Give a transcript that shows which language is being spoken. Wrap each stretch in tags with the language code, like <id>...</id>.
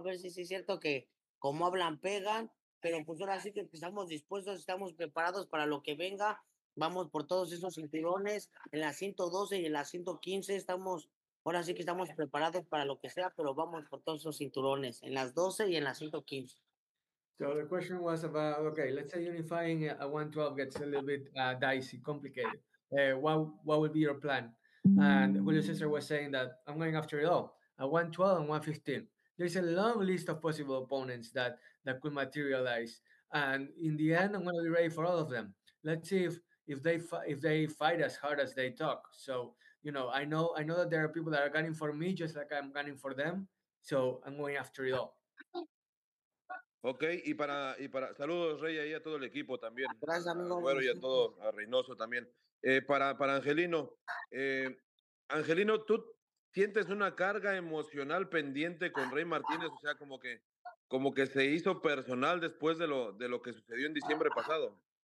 <es>A ver si es cierto que como hablan, pegan. Pero pues ahora sí que estamos dispuestos, estamos preparados para lo que venga. Vamos por todos esos cinturones. En la 112 y en la 115 estamos, ahora sí que estamos preparados para lo que sea, pero vamos por todos esos cinturones. En las 12 y en la 115.</es> <en>So the question was about, okay, let's say unifying a 112 gets a little bit dicey, complicated. What would be your plan? And Julio César was saying that I'm going after it all. A 112 and 115. There's a long list of possible opponents that could materialize. And in the end, I'm going to be ready for all of them. Let's see if they fight as hard as they talk. So, you know, I know that there are people that are gunning for me just like I'm gunning for them. So I'm going after it all.</en> <es>Okay, y para saludos, Rey, ahí a todo el equipo también. Gracias, amigo. Bueno, y a todo, a Reynoso también. Para Angelino, Angelino, tú sientes una carga emocional pendiente con Rey Martínez, o sea, como que se hizo personal después de lo que sucedió en diciembre pasado.</es>